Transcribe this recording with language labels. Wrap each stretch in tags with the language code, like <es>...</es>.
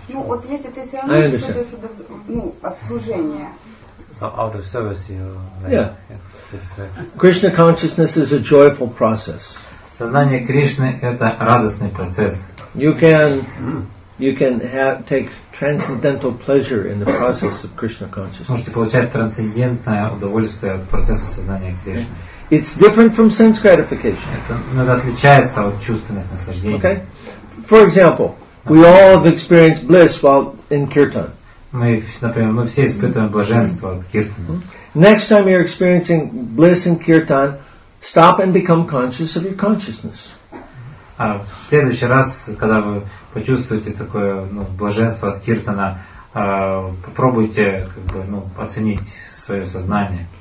<ru>Ну вот если ты все равно чувствуешь от служения.</ru> <en>So out of service you yeah. Krishna consciousness is a joyful process.</en> <ru>Сознание Кришны это радостный процесс.</ru> <en>You can have take transcendental pleasure in the process of Krishna consciousness.</en> <ru>Можете получать трансцендентное удовольствие от процесса сознания Кришны.</ru> <en>It's different from sense gratification.</en> <ru>Это отличается от чувственных наслаждений.</ru> <en>Okay. For example, we all have experienced bliss while in kirtan.</en> <ru>Мы, например, мы все испытываем блаженство от киртана.</ru> <en>Next time you're experiencing bliss in kirtan, stop and become conscious of your consciousness.</en> <ru>А в следующий раз, когда вы почувствуете такое блаженство от киртана, попробуйте оценить свое сознание.</ru>